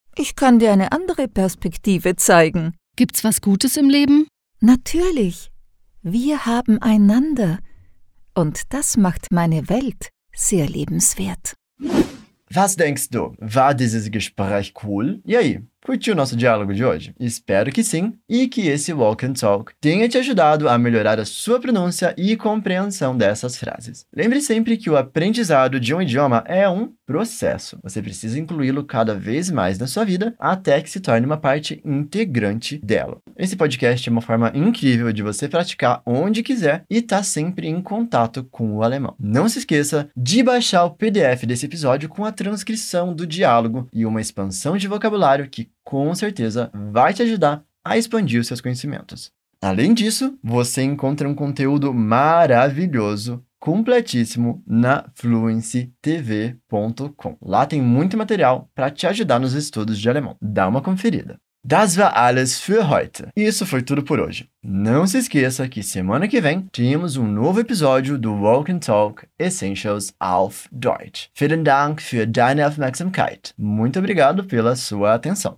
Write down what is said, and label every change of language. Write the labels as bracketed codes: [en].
[de] Ich kann dir eine andere Perspektive zeigen. Gibt's was Gutes im Leben? Natürlich! Wir haben einander. Und das macht meine Welt sehr lebenswert. Was denkst du? War dieses Gespräch cool? [pt] E aí, curtiu o nosso diálogo de hoje? Espero que sim e que esse Walk and Talk tenha te ajudado a melhorar a sua pronúncia e compreensão dessas frases. Lembre sempre que o aprendizado de um idioma é um processo. Você precisa incluí-lo cada vez mais na sua vida até que se torne uma parte integrante dela. Esse podcast é uma forma incrível de você praticar onde quiser e estar sempre em contato com o alemão. Não se esqueça de baixar o PDF desse episódio com a transcrição do diálogo e uma expansão de vocabulário que com certeza vai te ajudar a expandir os seus conhecimentos. Além disso, você encontra um conteúdo maravilhoso, completíssimo, na fluencytv.com. Lá tem muito material para te ajudar nos estudos de alemão. Dá uma conferida. [de] Das war alles für heute. [pt] Isso foi tudo por hoje. Não se esqueça que semana que vem temos um novo episódio do Walk and Talk Essentials auf Deutsch. [de] Vielen Dank für deine Aufmerksamkeit. [pt] Muito obrigado pela sua atenção.